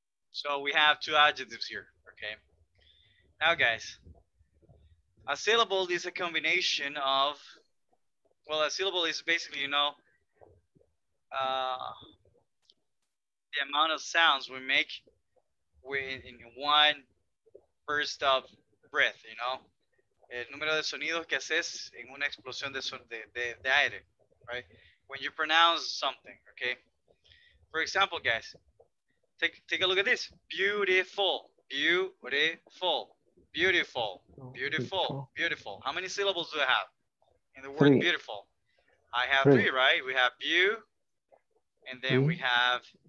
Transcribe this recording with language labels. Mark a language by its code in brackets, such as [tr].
[en] So we have two adjectives here, okay? Now, guys, a syllable is a combination of, well, a syllable is basically, you know, the amount of sounds we make in one burst of breath, you know? [es] El número de sonidos que haces en una explosión de aire, right? [en] When you pronounce something, okay? For example, guys, take a look at this. Beautiful, beautiful, beautiful, beautiful, beautiful. How many syllables do I have in the word three. Beautiful? I have three. Three, right? We have beau, and then three. We have